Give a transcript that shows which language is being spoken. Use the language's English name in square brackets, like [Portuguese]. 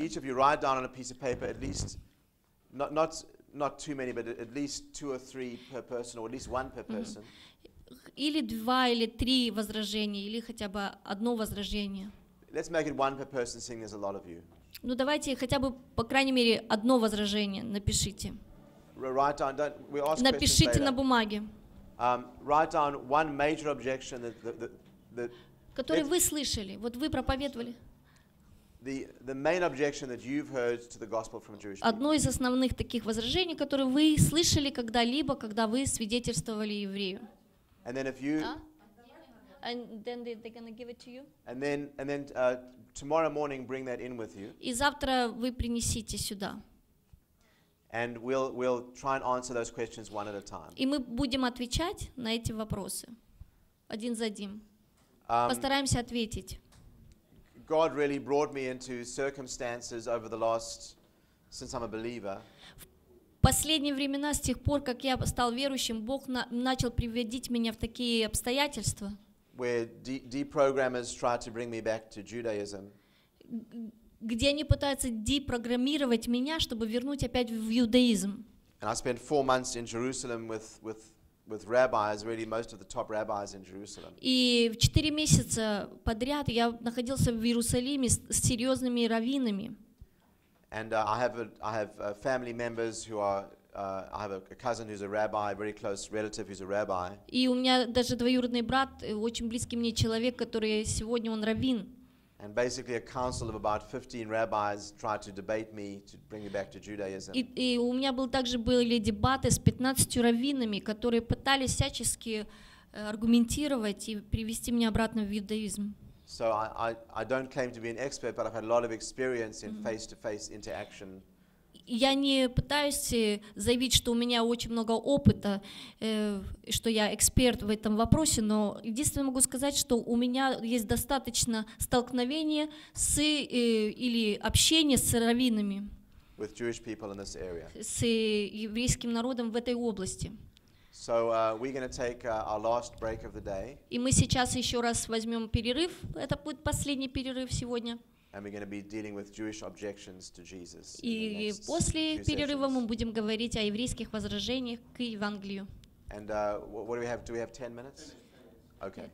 [English] Each of you write down on a piece of paper at least, not too many, but at least two or three per person, or at least one per person. [Russian] Или два или три возражения, или хотя бы одно возражение. [English] Let's make it one per person, seeing there's a lot of you. [Russian] Ну давайте хотя бы по крайней мере одно возражение напишите. [English] Write down. Don't, we ask [Russian] напишите [English] questions later. [Russian] На бумаге. [English] Write down one major objection that. [Russian] Который вы слышали, вот вы проповедовали. [English] The main objection that you've heard to the gospel from Jewish. [Russian] Одно из основных таких возражений, которые вы слышали когда-либо, когда вы свидетельствовали еврею. [English] And then if you. And then they're gonna give it to you. And then tomorrow morning bring that in with you. [Russian] И завтра вы принесите сюда. [English] And we'll try and answer those questions one at a time. [Russian] И мы будем отвечать на эти вопросы один за одним. Постараемся ответить. [English] God really brought me into circumstances over the last since I'm a believer. [Russian] В последние времена, с тех пор, как я стал верующим, Бог начал приводить меня в такие обстоятельства. [English] Where deprogrammers try to bring me back to Judaism. [Russian] Где они пытаются депрограммировать меня, чтобы вернуть опять в иудаизм. [English] And I spent 4 months in Jerusalem with rabbis, really most of the top rabbis in Jerusalem. [Russian] И 4 месяца подряд я находился в Иерусалиме с серьезными раввинами. [English] And I have family members who are I have a cousin who's a rabbi, a very close relative who's a rabbi. [Russian] И у меня даже двоюродный брат, очень близкий мне человек, который сегодня он раввин. [English] And basically a council of about 15 rabbis tried to debate me to bring me back to Judaism. [Russian] И у меня также были дебаты с 15 раввинами, которые пытались всячески аргументировать и привести меня обратно в иудаизм. [English] So I don't claim to be an expert, but I've had a lot of experience in face-to-face interaction. [Russian] Я не пытаюсь заявить, что у меня очень много опыта, что я эксперт в этом вопросе, но единственное могу сказать, что у меня есть достаточно столкновения с или общения с раввинами, [English] with Jewish people in this area. [Russian] С еврейским народом в этой области. [English] So we're going to take our last break of the day. [Russian] И мы сейчас еще раз возьмем перерыв. Это будет последний перерыв сегодня. [English] And we're going to be dealing with Jewish objections to Jesus. [Russian] И после перерыва мы будем говорить о еврейских возражениях к Евангелию. [English] And what do we have? Do we have 10 minutes? Okay.